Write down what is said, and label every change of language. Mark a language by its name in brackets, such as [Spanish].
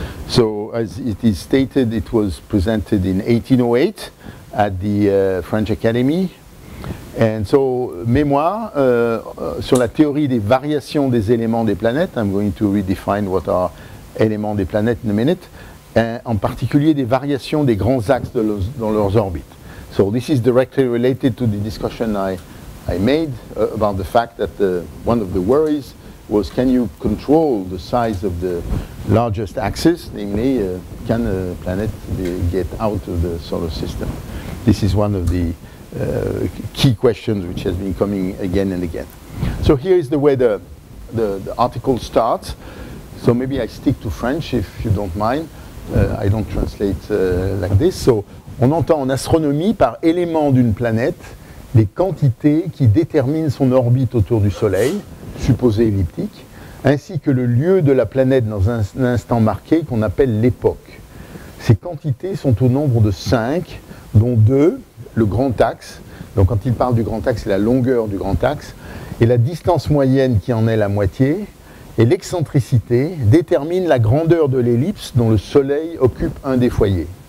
[English] So as it is stated, it was presented in 1808 at the French Academy. And so, [French] memoir sur la théorie des variations des éléments des planètes. [English] I'm going to redefine what are [French] éléments des planètes [English] in a minute. [French] En particulier des variations des grands axes dans leurs orbites. [English] So this is directly related to the discussion I made about the fact that one of the worries was, can you control the size of the largest axis, namely, can a planet get out of the solar system? This is one of the key questions which has been coming again and again. So here is the way the article starts. So maybe I stick to French, if you don't mind. I don't translate like this. [French] So on entend en astronomie par élément d'une planète les quantités qui déterminent son orbite autour du Soleil, supposée elliptique, ainsi que le lieu de la planète dans un instant marqué qu'on appelle l'époque. Ces quantités sont au nombre de 5, dont 2, le grand axe, donc quand il parle du grand axe, c'est la longueur du grand axe, et la distance moyenne qui en est la moitié, et l'excentricité détermine la grandeur de l'ellipse dont le Soleil occupe un des foyers.